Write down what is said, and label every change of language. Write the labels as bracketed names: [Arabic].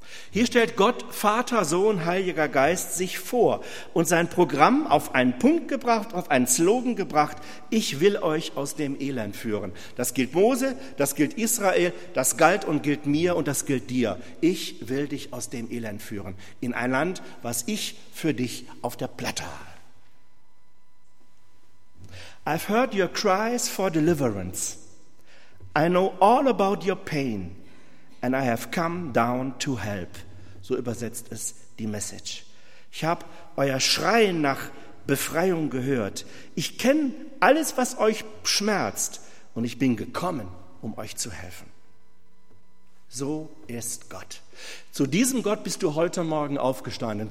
[German] Hier stellt Gott, Vater, Sohn, Heiliger Geist sich vor und sein Programm auf einen Punkt gebracht, auf einen Slogan gebracht, ich will euch aus dem Elend führen. Das gilt Mose, das gilt Israel, das galt und gilt mir und das gilt dir. Ich will dich aus dem Elend führen, in ein Land, was ich für dich auf der Platte habe. [English] I've heard your cries for deliverance. I know all about your pain. And I have come down to help. [German] So übersetzt es die Message. Ich habe euer Schreien nach Befreiung gehört. Ich kenne alles, was euch schmerzt. Und ich bin gekommen, um euch zu helfen. So ist Gott. Zu diesem Gott bist du heute Morgen aufgestanden.